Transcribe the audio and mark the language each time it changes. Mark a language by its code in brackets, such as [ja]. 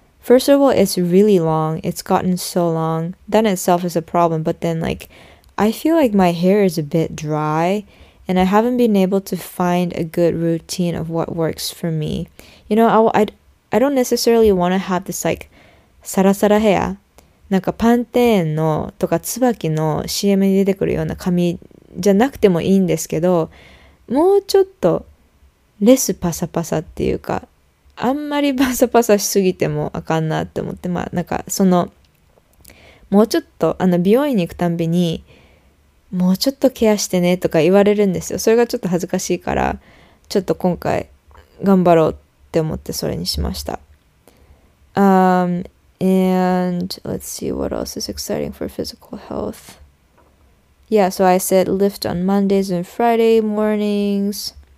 [en] First of all, it's really long. It's gotten so long. That itself is a problem, but then, like, I feel like my hair is a bit dry, and I haven't been able to find a good routine of what works for me. You know, I don't necessarily want to have this, like, [ja] サラサラヘア。なんかパンテーンのとか椿の CM に出てくるような髪じゃなくてもいいんですけど、もうちょっとレスパサパサっていうか、あんまりパサパサしすぎてもあかんなって思って、まあなんかその、もうちょっと美容院に行くたんびに、もうちょっとケアしてねとか言われるんですよ。それがちょっと恥ずかしいから、ちょっと今回頑張ろうって思ってそれにしました。 [en] And let's see what else is exciting for physical health. Yeah, so I said lift on Mondays and Friday mornings.